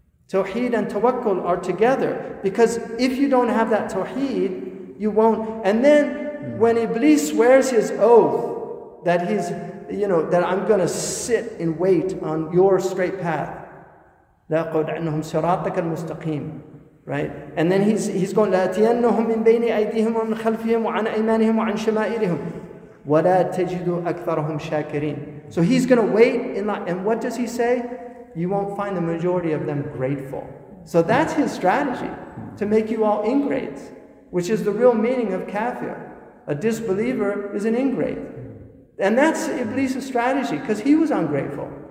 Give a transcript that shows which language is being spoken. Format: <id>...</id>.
<en>Tawheed and tawakkul are together. Because if you don't have that tawheed, you won't. And then when Iblis swears his oath that he's, you know, that I'm going to sit and wait on your straight path.</en> <ar>لَقُدْ عَنْهُمْ سِرَاطَكَ الْمُسْتَقِيمِ.</ar> <en>Right, and then he's going</en> <ar>لَأَتِيَنَّهُمْ مِنْ بَيْنِ أَيْدِيهِمْ وَمِنْ خَلْفِهِمْ وَعَنْ أَيْمَانِهِمْ وَعَنْ شَمَائِلِهِمْ وَلَا تَجِدُ أَكْثَرَهُمْ شَاكِرِينَ.</ar> <en>So he's going to wait in line, and what does he say? You won't find the majority of them grateful. So that's his strategy, to make you all ingrates, which is the real meaning of kafir. A disbeliever is an ingrate. And that's Iblis' strategy, because he was ungrateful.</en>